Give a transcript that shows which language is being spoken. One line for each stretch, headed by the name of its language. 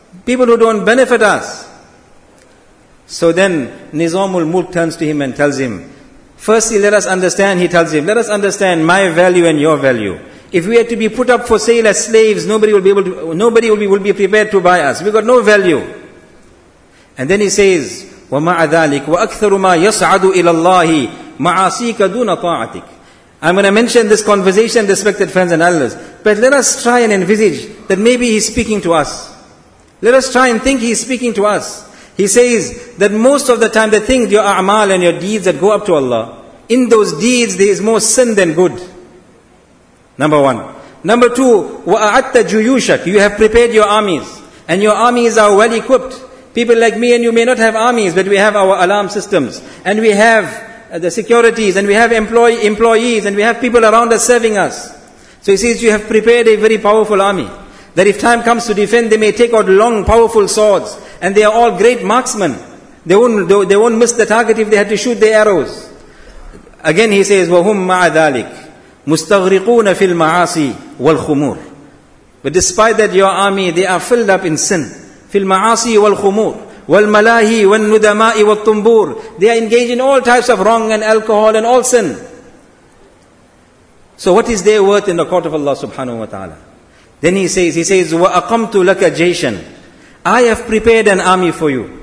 English: People who don't benefit us. So then Nizamul Mulk turns to him and tells him, firstly, let us understand, he tells him, let us understand my value and your value. If we are to be put up for sale as slaves, nobody will be prepared to buy us. We've got no value. And then he says,
Arabic: وَمَعَ ذَلِكَ وَأَكْثَرُ مَا يَصْعَدُ إِلَى اللَّهِ مَعَاصِيكَ دُونَ طَاعَتِكَ.
English: I'm going to mention this conversation, respected friends and elders, but let us try and envisage that maybe he's speaking to us. Let us try and think he's speaking to us. He says that most of the time the things, your a'mal and your deeds that go up to Allah, in those deeds there is more sin than good. Number one. Number two,
Arabic: وَأَعَدْتَ جُيُوشَكَ.
English: You have prepared your armies, and your armies are well equipped. People like me and you may not have armies, but we have our alarm systems, and we have the securities, and we have employees, and we have people around us serving us. So he says, you have prepared a very powerful army, that if time comes to defend, they may take out long, powerful swords, and they are all great marksmen. They won't miss the target if they had to shoot their arrows. Again he says,
Arabic: وَهُمْ مَعَ ذَلِكَ مُسْتَغْرِقُونَ فِي الْمَعَاصِي وَالْخُمُورِ.
English: But despite that, your army, they are filled up in sin.
Arabic: فِي الْمَعَاصِي وَالْخُمُورِ وَالْمَلَاهِي وَالنُّدَمَاءِ وَالطُّمْبُورِ.
English: They are engaged in all types of wrong and alcohol and all sin. So what is their worth in the court of Allah subhanahu wa ta'ala? Then he says,
Arabic: وَأَقَمْتُ لَكَ جَيْشًا.
English: I have prepared an army for you.